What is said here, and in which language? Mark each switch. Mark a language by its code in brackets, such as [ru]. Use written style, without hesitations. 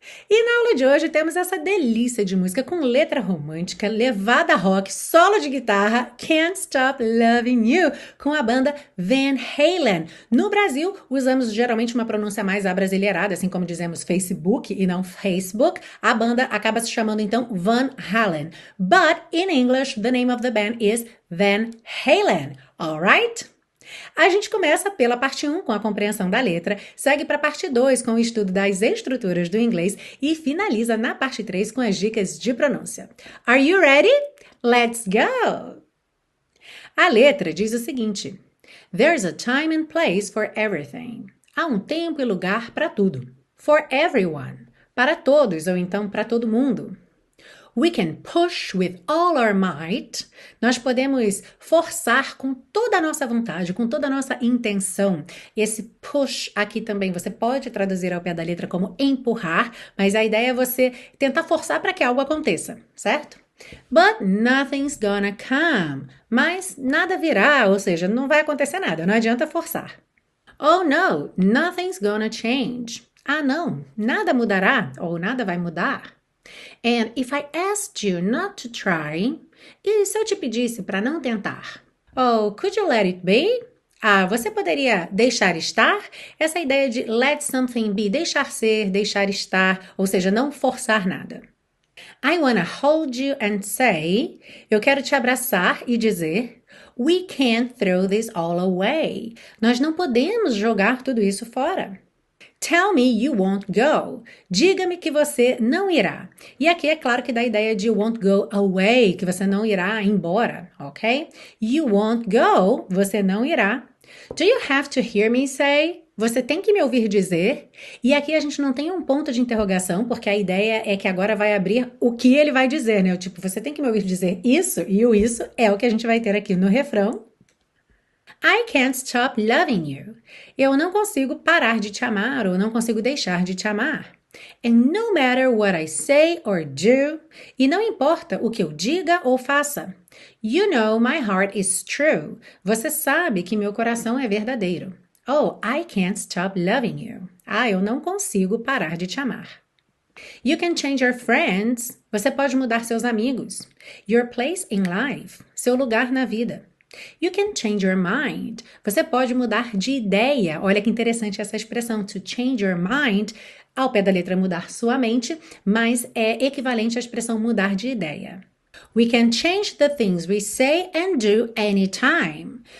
[pt] E na aula de hoje temos essa delícia de música com letra romântica, levada rock, solo de guitarra, Can't Stop Loving You, com a banda Van Halen. No Brasil, usamos geralmente uma pronúncia mais abrasileirada, assim como dizemos Facebook e não Facebook. A banda acaba se chamando então Van Halen. [en] But in English, the name of the band is Van Halen. All right? [pt] A gente começa pela parte 1 com a compreensão da letra, segue para a parte 2 com o estudo das estruturas do inglês e finaliza na parte 3 com as dicas de pronúncia. [en] Are you ready? Let's go! [pt] A letra diz o seguinte: [en] There's a time and place for everything. [pt] Há um tempo e lugar para tudo. [en] For everyone. [pt] Para todos ou então para todo mundo. [en] We can push with all our might. [pt] Nós podemos forçar com toda a nossa vontade, com toda a nossa intenção. Esse push aqui também você pode traduzir ao pé da letra como empurrar, mas a ideia é você tentar forçar para que algo aconteça, certo? [en] But nothing's gonna come. [pt] Mas nada virá, ou seja, não vai acontecer nada, não adianta forçar. [en] Oh no, nothing's gonna change. [pt] Ah não, nada mudará ou nada vai mudar. [en] And if I asked you not to try, [pt] e se eu te pedisse para não tentar? [en] Oh, could you let it be? [pt] Ah, você poderia deixar estar? Essa ideia de [en] let something be, [pt] deixar ser, deixar estar, ou seja, não forçar nada. [en] I wanna hold you and say, [pt] eu quero te abraçar e dizer, [en] we can't throw this all away. [pt] Nós não podemos jogar tudo isso fora. [en] Tell me you won't go. [pt] Diga-me que você não irá. E aqui é claro que dá a ideia de [en] won't go away, [pt] que você não irá embora, ok? [en] You won't go, [pt] você não irá. [en] Do you have to hear me say? [pt] Você tem que me ouvir dizer. E aqui a gente não tem um ponto de interrogação, porque a ideia é que agora vai abrir o que ele vai dizer, né? Tipo, você tem que me ouvir dizer isso, e o isso é o que a gente vai ter aqui no refrão. [en] I can't stop loving you. [pt] Eu não consigo parar de te amar ou não consigo deixar de te amar. [en] And no matter what I say or do, [pt] e não importa o que eu diga ou faça. [en] You know my heart is true. [pt] Você sabe que meu coração é verdadeiro. [en] Oh, I can't stop loving you. [pt] Ah, eu não consigo parar de te amar. [en] You can change your friends. [pt] Você pode mudar seus amigos. [en] Your place in life. [pt] Seu lugar na vida. [en] You can change your mind. [pt] Você pode mudar de ideia. Olha que interessante essa expressão, [en] to change your mind. [pt] Ao pé da letra, mudar sua mente, mas é equivalente à expressão mudar de ideia. [en] We can change the things we say and do anytime.